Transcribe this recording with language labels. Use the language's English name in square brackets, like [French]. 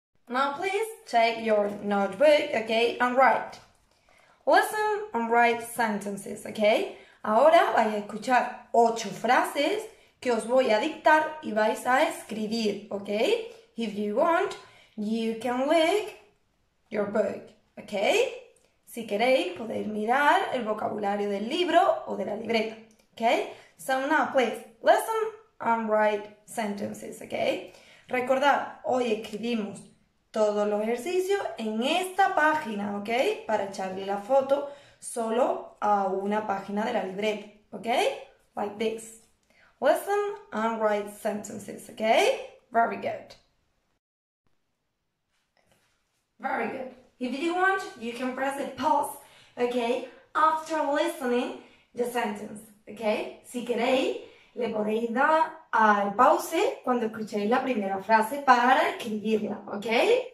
[English] Now please take your notebook, okay, and write. Listen and write sentences, [Spanish] okay? Ahora vais a escuchar 8 frases que os voy a dictar y vais a escribir, okay? [English] If you want, you can look your book, okay? [Spanish] Si queréis, podéis mirar el vocabulario del libro o de la libreta, okay? [English] So now, please, listen and write sentences, okay? [Spanish] Recordad, hoy escribimos todos los ejercicios en esta página, okay? Para echarle la foto solo a una página de la libreta, okay? [English] Like this. Listen and write sentences, okay? Very good. Very good. If you want, you can press the pause, okay, after listening the sentence, okay? [Spanish] Si queréis, le podéis dar al pause cuando escuchéis la primera frase para escribirla, okay?